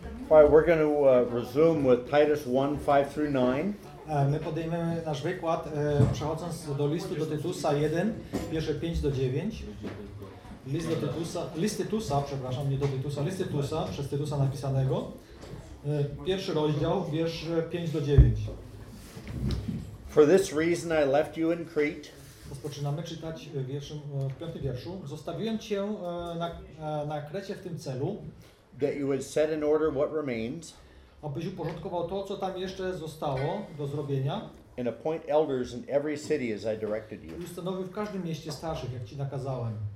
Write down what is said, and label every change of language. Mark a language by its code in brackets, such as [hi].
[en] All right, we're going to resume with Titus 1, 5 through 9. [pl] My podejmiemy nasz wykład przechodząc do listu do Tytusa 1, pierwsze 5 do 9. List do Tytusa, list Tytusa, przepraszam, nie do Tytusa, list Tytusa, przez Tytusa napisanego. Pierwszy rozdział, wiersz 5 do 9. [en] For this reason I left you in Crete. [pl] Rozpoczynamy czytać w piątym wierszu. Zostawiłem cię na Krecie w tym celu, [en] that you would set in order what remains, [pl] abyś uporządkował to, co tam jeszcze zostało do zrobienia, [en] and appoint elders in every city as I directed you. [pl] Ustanowił w każdym mieście starszych, jak ci nakazałem.